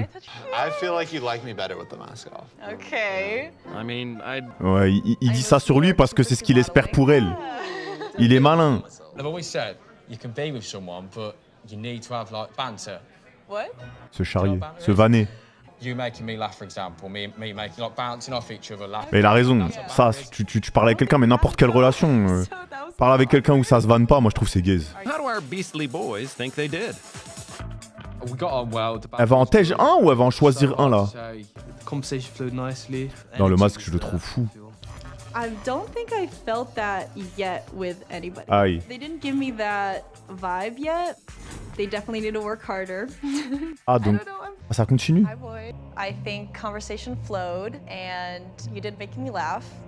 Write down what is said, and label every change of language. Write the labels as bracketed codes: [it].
[en] I feel like you like me better with the mask off. Okay. I mean, I'd... [fr] Ouais, il dit ça sur lui parce que c'est ce qu'il espère pour elle. Il est malin. [en] I've always said you can be with someone, but you need to have like banter. What? [fr] Se charrier, se vanner. [en] You making me laugh, for example, me making like bouncing off each other laughing. [fr] Mais il a raison. Ça, tu parles avec quelqu'un, mais n'importe quelle relation. Parle avec quelqu'un où ça se vanne pas, moi je trouve c'est gaze. [en] How do our beastly boys think they did? We got on well. [fr] Elle va en tège un ou elle va en choisir un là? [en] Conversation flowed nicely. [fr] Non, le masque, je le trouve fou. [en] I don't think I felt that yet with anybody. [fr] Aïe. [en] They didn't give me that vibe yet. They definitely need to work harder. [fr] Ah donc. Ah, ça continue. [en] I think conversation flowed and you did make me laugh.